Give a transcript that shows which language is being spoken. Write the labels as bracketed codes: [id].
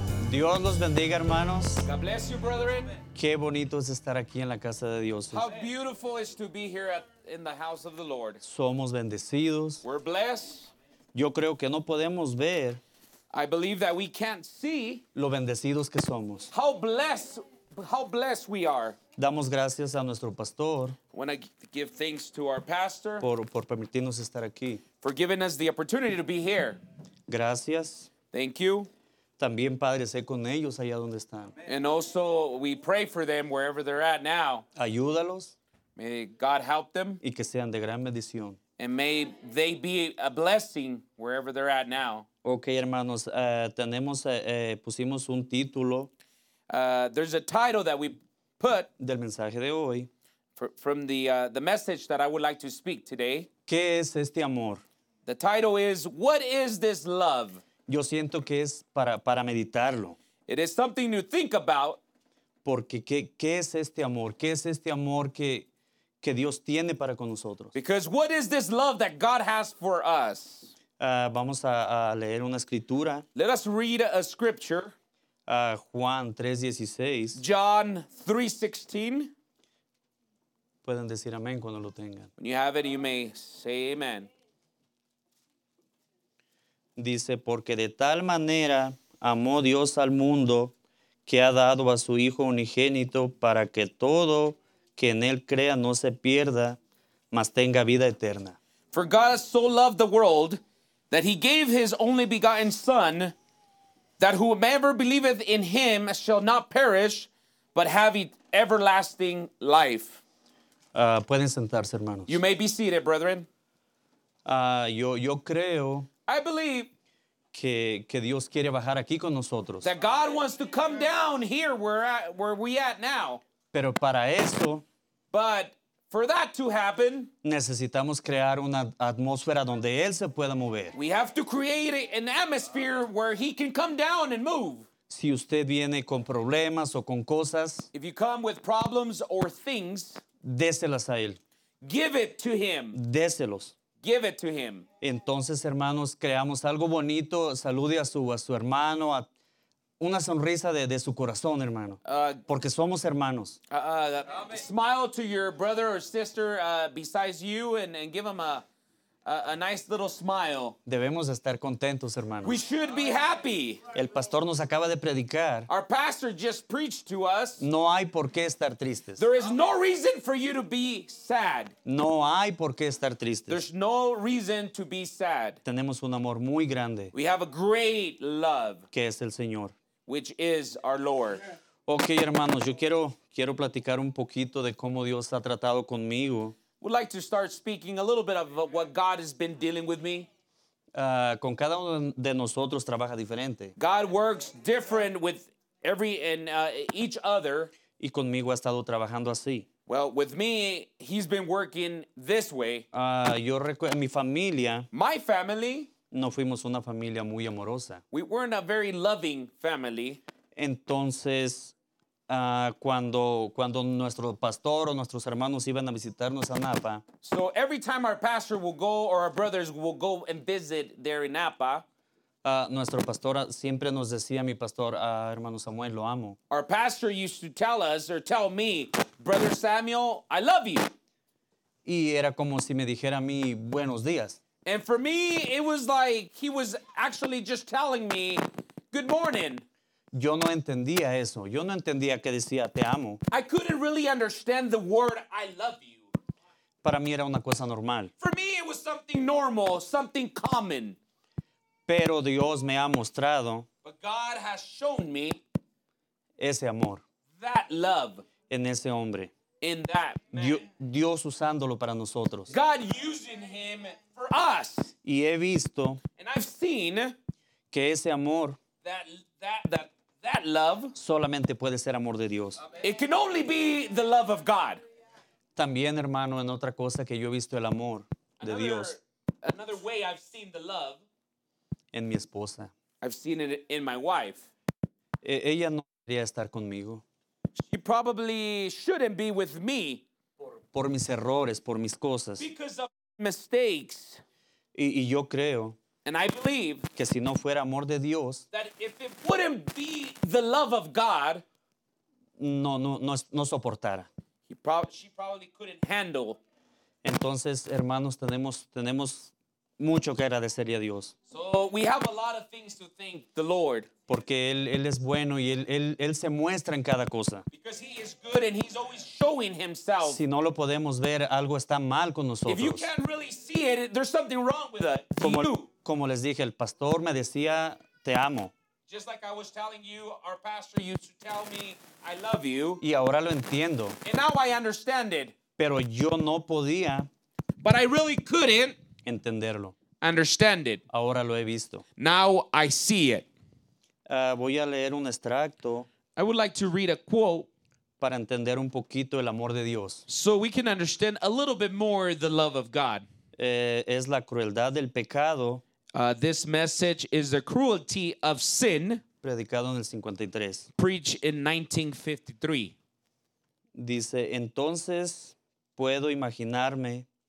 [es] Dios los bendiga, hermanos. [en] God bless you, brethren. [es] Qué bonito es estar aquí en la casa de Dios. [en] How beautiful is to be here at, in the house of the Lord. [es] Somos bendecidos. [en] We're blessed. [es] Yo creo que no podemos ver. [en] I believe that we can't see. [es] Lo bendecidos que somos. [en] How blessed we are. [es] Damos gracias a nuestro pastor. [en] When I give thanks to our pastor. [es] Por permitirnos estar aquí. [en] For giving us the opportunity to be here. [es] Gracias. [en] Thank you. [es] También, Padre, sé con ellos allá donde están. [en] And also, we pray for them wherever they're at now. [es] Ayúdalos. [en] May God help them. [es] Y que sean de gran bendición. [en] And may they be a blessing wherever they're at now. [es] Okay, hermanos, pusimos un título. [en] There's a title that we put. [es] Del mensaje de hoy. [en] From the message that I would like to speak today. [es] ¿Qué es este amor? [en] The title is, what is this love? [es] Yo siento que es para meditarlo. [en] It is something to think about. [es] Porque ¿qué es este amor? ¿Qué es este amor que Dios tiene para con nosotros? [en] Because what is this love that God has for us? [es] Vamos a leer una escritura. [en] Let us read a scripture. [es] Juan 3:16. [en] John 3:16. [es] Pueden decir amén cuando lo tengan. [en] When you have it, you may say amen. [es] Dice, porque de tal manera amó Dios al mundo que ha dado a su Hijo unigénito para que todo que en él crea no se pierda, mas tenga vida eterna. [en] For God so loved the world that he gave his only begotten Son, that whoever believeth in him shall not perish, but have everlasting life. [es] Pueden sentarse, hermanos. [en] You may be seated, brethren. [es] Yo creo. [en] I believe [es] que Dios quiere bajar aquí con nosotros. [en] That God wants to come down here where we at now. [es] Pero para eso, [en] but for that to happen, [es] necesitamos crear una atmósfera donde él se pueda mover. [en] We have to create an atmosphere where he can come down and move. [es] Si usted viene con problemas o con cosas, [en] if you come with problems or things, [es] déselas a él. [en] Give it to him. [es] Déselos. [en] Give it to him. [es] Entonces, hermanos, creamos algo bonito. Salude a su hermano, a una sonrisa de su corazón, hermano. Porque somos hermanos. [en] Smile to your brother or sister besides you and give him a nice little smile. [es] Debemos estar contentos, hermanos. [en] We should be happy. [es] El pastor nos acaba de predicar. [en] Our pastor just preached to us. [es] No hay por qué estar tristes. [en] There is no reason for you to be sad. [es] No hay por qué estar tristes. [en] There's no reason to be sad. [es] Tenemos un amor muy grande. [en] We have a great love. [es] Que es el Señor. [en] Which is our Lord. [es] Okay, hermanos, yo quiero platicar un poquito de cómo Dios ha tratado conmigo. [en] Would like to start speaking a little bit of what God has been dealing with me. [es] Con cada uno de nosotros trabaja diferente. [en] God works different with every and each other. [es] Y conmigo ha estado trabajando así. [en] Well, with me, he's been working this way. [es] Mi familia. [en] My family. [es] No fuimos una familia muy amorosa. [en] We weren't a very loving family. [es] Entonces, cuando nuestro pastor o nuestros hermanos iban a visitarnos a Napa. [en] So every time our pastor will go or our brothers will go and visit there in Napa. [es] Nuestro pastor siempre nos decía, mi pastor, hermano Samuel, lo amo. [en] Our pastor used to tell us or tell me, Brother Samuel, I love you. [es] Y era como si me dijera a mí, buenos días. [en] And for me, it was like he was actually just telling me, good morning. [es] Yo no entendía eso. Yo no entendía que decía, te amo. [en] I couldn't really understand the word, I love you. [es] Para mí era una cosa normal. [en] For me, it was something normal, something common. [es] Pero Dios me ha mostrado. [en] But God has shown me. [es] Ese amor. [en] That love. [es] En ese hombre. [en] In that man. [es] Dios usándolo para nosotros. [en] God using him for us. [es] Y he visto. [en] And I've seen. [es] Que ese amor. [en] That love. [es] Solamente puede ser amor de Dios. [en] It can only be the love of God. [es] También, hermano, en otra cosa que yo he visto el amor de Dios. [en] Another way I've seen the love. [es] En mi esposa. [en] I've seen it in my wife. [es] Ella no debería estar conmigo. [en] She probably shouldn't be with me. [es] Por mis errores, por mis cosas. [en] Because of mistakes. [es] Y yo creo. [en] And I believe [es] que si no fuera amor de Dios, [en] that if it wouldn't be the love of God, [es] no soportara. [en] She probably couldn't handle. [es] Entonces, hermanos, tenemos mucho que agradecerle a Dios. [en] So we have a lot of things to thank the Lord. [es] Porque él es bueno y él se muestra en cada cosa. [en] Because he is good and he's always showing himself. [es] Si no lo podemos ver, algo está mal con nosotros. [en] If you can't really see it, there's something wrong with it. [es] Como les dije, el pastor me decía, te amo. [en] Just like I was telling you, our pastor used to tell me, I love you. [es] Y ahora lo entiendo. [en] And now I understand it. [es] Pero yo no podía. [en] But I really couldn't. [es] Entenderlo. [en] Understand it. [es] Ahora lo he visto. [en] Now I see it. [es] Voy a leer un extracto. [en] I would like to read a quote. [es] Para entender un poquito el amor de Dios. [en] So we can understand a little bit more the love of God. [es] Es la crueldad del pecado. [en] This message is the cruelty of sin. [es] Predicado en el 53. [en] Preached in 1953. [es] Dice, entonces puedo imaginarme.